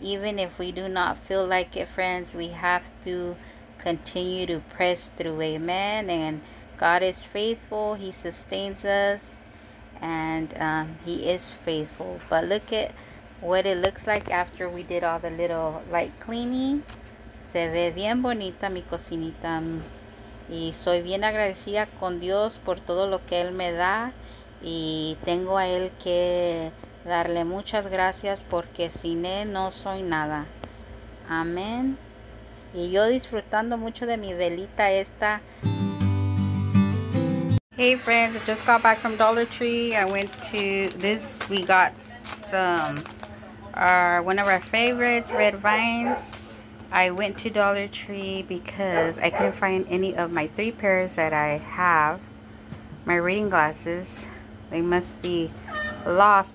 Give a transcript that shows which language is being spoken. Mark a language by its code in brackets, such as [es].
[en] Even if we do not feel like it, friends, we have to continue to press through, amen. And God is faithful. He sustains us, and he is faithful. But look at what it looks like after we did all the little light cleaning. [es] Se ve bien bonita mi cocinita. Y soy bien agradecida con Dios por todo lo que Él me da. Y tengo a Él que darle muchas gracias porque sin Él no soy nada. Amén. Y yo disfrutando mucho de mi velita esta. [en] Hey friends, I just got back from Dollar Tree. I went to this, we got some, one of our favorites, red vines. I went to Dollar Tree because I couldn't find any of my three pairs that I have. My reading glasses. They must be lost.